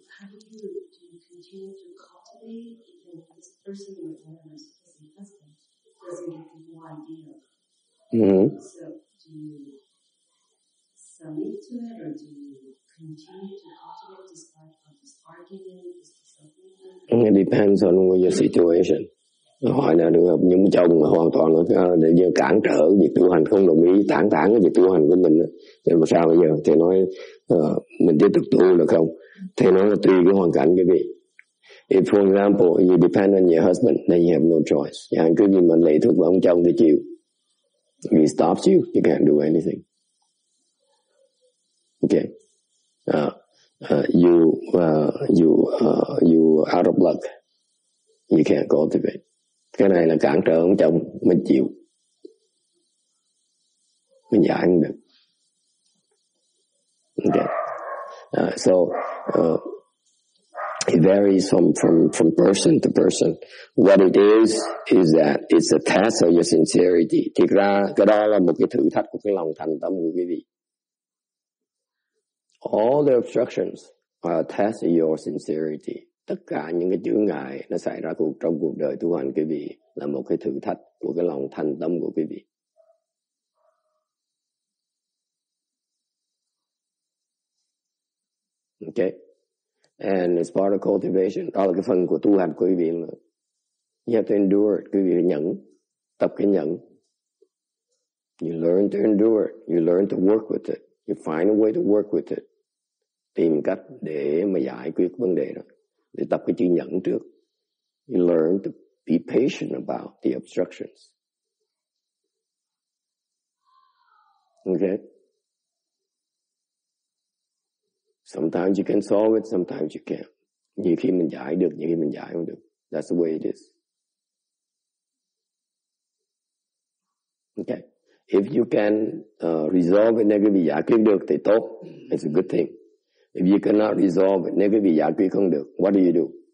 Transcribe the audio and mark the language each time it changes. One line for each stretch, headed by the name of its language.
English: How do you continue to cultivate even if this person with whatever is in husband doesn't have no idea? So do you submit to it or do you continue to cultivate despite of this argument? It depends on your situation.
Vietnamese: Hỏi là được không? Những chồng mà hoàn toàn để như cản trở việc tu hành, không đồng ý, tản cái việc tu hành của mình, thì mà sao bây giờ? Thầy nói mình tiếp tục tu được không? Thầy nói là tùy cái hoàn cảnh cái gì.
English: If for example you depend on your husband, then you have no choice.
Vietnamese: Yeah, cứ như mình lệ thuộc vào ông chồng thì chịu.
English: If he stops you, you can't do anything. Okay. You out of luck. You can't cultivate.
Vietnamese: Cái này là cản trở ông chồng, mình chịu. Mình giải không được.
English: Okay. It varies from person to person. What it is that it's a test of your sincerity.
Vietnamese: Thực ra, cái đó là một cái thử thách của cái lòng thành tâm của quý vị.
English: All the obstructions are a test of your sincerity.
Vietnamese: tất cả những cái chướng ngại nó xảy ra trong cuộc đời tu hành quý vị là một cái thử thách của cái lòng thanh tâm của quý vị. Ok.
English: And it's part of cultivation.
Vietnamese: Đó là cái phần của tu hành của quý vị.
English: You have to endure it.
Vietnamese: Quý vị nhẫn. Tập cái nhẫn.
English: You learn to endure it. You learn to work with it. You find a way to work with it.
Vietnamese: Tìm cách để mà giải quyết vấn đề đó. Để tập cái chữ nhẫn trước.
English: You learn to be patient about the obstructions. Ok. Sometimes you can solve it, sometimes you can't.
Vietnamese: Nhiều khi mình giải được, nhiều khi mình giải không được.
English: That's the way it is. Okay. If you can resolve it,
Vietnamese: nếu quý vị giải quyết được thì tốt.
English: It's a good thing. If you cannot resolve it,
Vietnamese: nếu quý vị giải quyết không được,
English: what do you do?